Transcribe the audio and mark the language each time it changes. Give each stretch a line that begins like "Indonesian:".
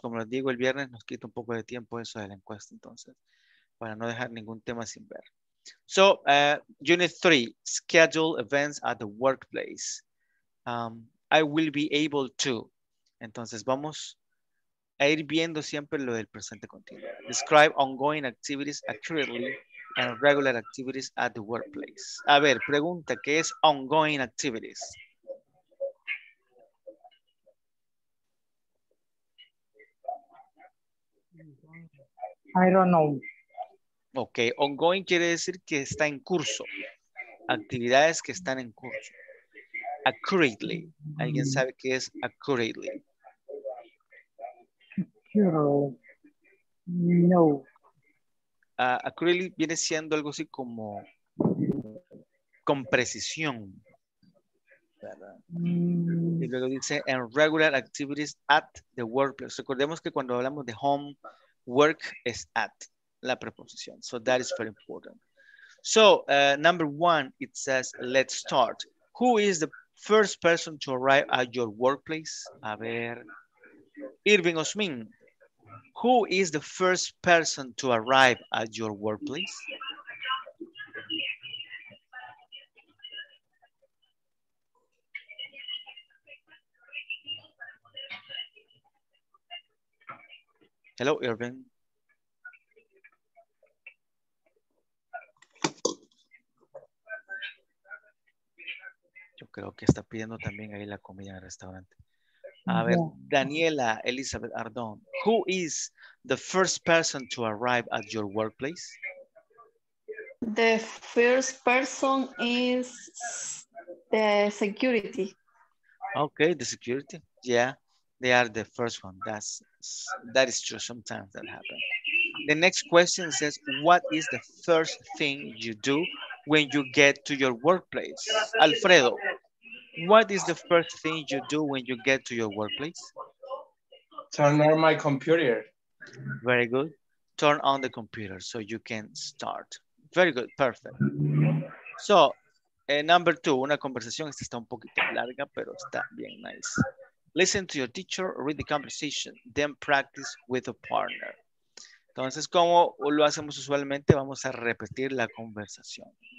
Spanish: Como les digo, el viernes nos quita un poco de tiempo eso de la encuesta, entonces, para no dejar ningún tema sin ver.
English: So, unit 3, schedule events at the workplace. I will be able to.
Spanish: Entonces, vamos a ir viendo siempre lo del presente continuo.
English: Describe ongoing activities accurately and regular activities at the workplace.
Spanish: A ver, pregunta, ¿qué es
English: ongoing activities? I don't know.
Spanish: Ok, ongoing quiere decir que está en curso. Actividades que están en curso. Accurately. ¿Alguien sabe qué es accurately? No. Accurately viene siendo algo así como con precisión. Y luego dice en
English: regular activities at the workplace.
Spanish: Recordemos que cuando hablamos de home, work es at la preposición.
English: So that is very important. So number one, it says, let's start. Who is the first person to arrive at your workplace?
Spanish: A ver,
English: Irving Osmin. Who is the first person to arrive at your workplace? Hello, Irving.
Spanish: Yo creo que está pidiendo también ahí la comida en el restaurante. A ver,
English: Daniela, Elizabeth Ardón, who is the first person to arrive at your workplace? The first person is the security. Okay, the security, yeah. They are the first one. That is true, sometimes that happens. The next question says, what is the first thing you do when you get to your workplace? Alfredo, what is the first thing you do when you get to your workplace? Turn on my computer. Very good. Turn on the computer so you can start. Very good, perfect. So, number two,
Spanish: una conversación. Esta está un poquito larga, pero está bien nice.
English: Listen to your teacher, read the conversation, then practice with a partner.
Spanish: Entonces, como lo hacemos usualmente, vamos a repetir la conversación.